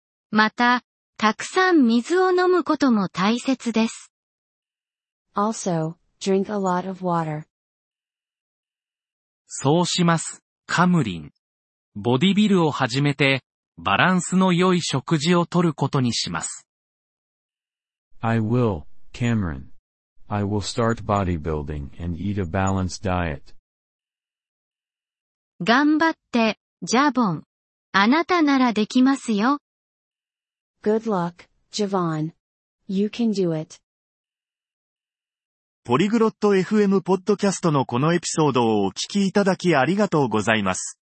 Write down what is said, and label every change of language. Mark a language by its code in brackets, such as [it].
[ja] また、たくさん水を飲むことも大切です。 [en] Also, drink a lot of water. [ja] そうします、カムリン。ボディビルを始めて、バランスの良い食事をとることにします。 [en] I will, Cameron. I will start bodybuilding and eat a balanced diet. [ja] 頑張って、ジャボン。あなたならできますよ。 [en] Good luck, Javon. You can do it. [ja] ポリグロット FM ポッドキャストのこのエピソードをお聞きいただきありがとうございます。